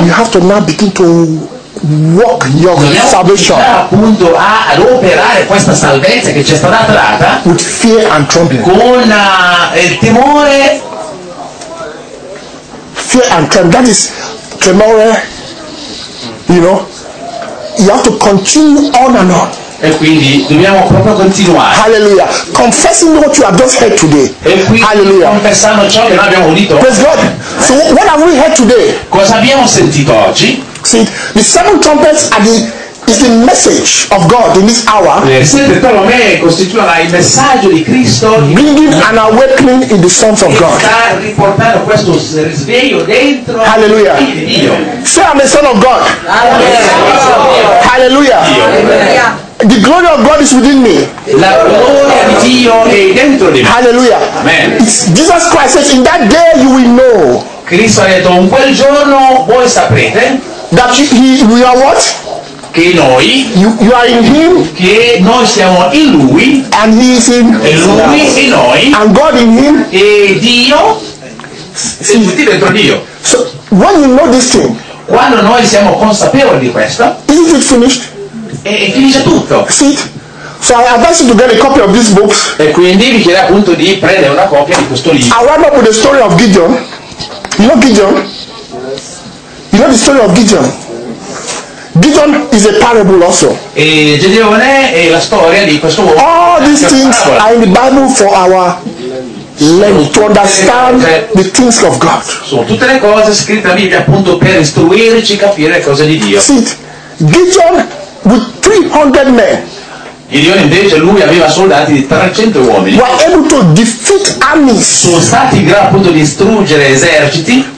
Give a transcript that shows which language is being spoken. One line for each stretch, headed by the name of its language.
English: You have to now begin to walk your salvation.
Italian: Appunto ad operare questa salvezza che ci è stata data.
English: With fear and trembling.
Italian: Con il timore.
English: Fear and trembling. That is tremore. You know. You have to continue on and on.
Italian: E quindi dobbiamo proprio continuare.
English: Hallelujah. Confessing what you have just heard today.
Italian: E quindi
English: hallelujah.
Italian: Confessando ciò che abbiamo udito.
English: Praise God. So what have we heard today?
Italian: Cosa abbiamo sentito oggi?
English: See, the seven trumpets is the message of God in this hour.
Italian: Sette trombe costituiscono il messaggio di Cristo.
English: Bringing an awakening in the sons of God.
Italian: Sta riportando questo risveglio dentro.
English: Hallelujah. Say, I'm a son of God. Hallelujah. The glory of God is within me.
Italian: La gloria di Dio è dentro di me.
English: Hallelujah. Amen. Jesus Christ says, in that day you will know.
Italian: Cristo ha detto, in quel giorno voi saprete.
English: That we are what?
Italian: Che noi.
English: You are in him.
Italian: Che noi siamo in lui.
English: And he is in.
Italian: E lui in noi.
English: And God in him.
Italian: E Dio. E tutti dentro Dio.
English: So when you know this thing.
Italian: Quando noi siamo consapevoli di questo.
English: Is it finished?
Italian: E finisce tutto.
English: See it? So I advise you to get a copy of these books.
Italian: E quindi vi chiedo appunto di prendere una copia di questo libro.
English: I wrap up with the story of Gideon. You know Gideon? You know the story of Gideon? Gideon is a parable also.
Italian: E Gideon è la storia di questo uomo.
English: All these things are in the Bible for our learning, to understand the things of God.
Italian: Sono tutte le cose scritte a Bibbia appunto per istruirci a capire le cose di Dio.
English: See it? Gideon with 300 men.
Italian: Gideon invece lui aveva soldati di 300 uomini.
English: Were able to defeat armies.
Italian: Sono stati in grado appunto di distruggere eserciti.